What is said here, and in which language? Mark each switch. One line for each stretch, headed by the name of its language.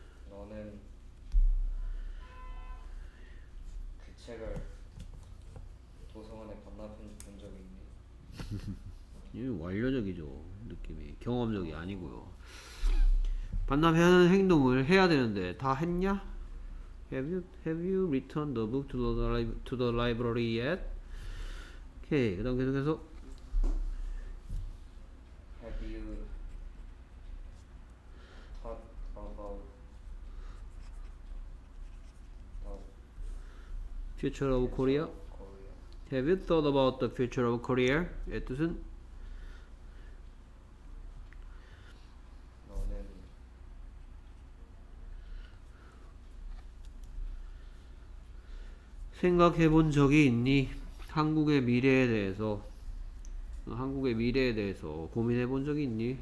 Korean: 너는 그 책을 도서관에 건너편 본 적이 있니? 이게 완료적이죠, 느낌이. 경험적이 아니고요. 반납하는 행동을 해야 되는데 다 했냐?
English: Have you returned the book to the library yet?
Korean: 오케이 그다음 계속해서
English: Have you thought about the future of Korea? Have you thought about the future of Korea?
Korean: 예, 뜻은 생각해본 적이 있니? 한국의 미래에 대해서 고민해본 적이 있니?